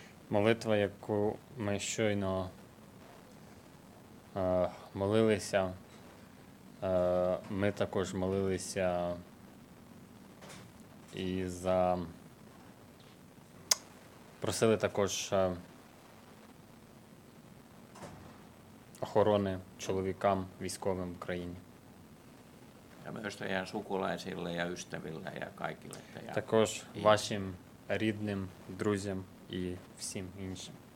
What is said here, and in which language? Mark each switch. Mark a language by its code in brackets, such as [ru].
[uk] Молитва, яку ми щойно молилися, ми також молилися і за просили також охорони чоловікам, військовим в Україні. [fi] Ja myös teidän sukulaisille ja ystäville ja kaikille. [uk] Також вашим рідним, друзям і всім іншим.